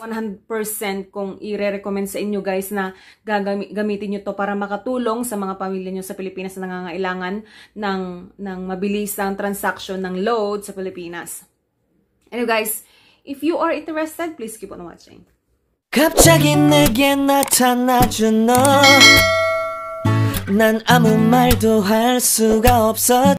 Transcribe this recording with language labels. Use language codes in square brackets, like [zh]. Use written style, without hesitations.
[tl] 100% kung i-re-recommend sa inyo, guys, na gamitin niyo to para makatulong sa mga pamilya niyo sa Pilipinas na nangangailangan ng mabilis ang transaction ng load sa Pilipinas. [en] Anyway, guys, if you are interested, please keep on watching. [ko] 갑자기 내게 나타나죠 너. 난 아무 말도 할 수가 없어.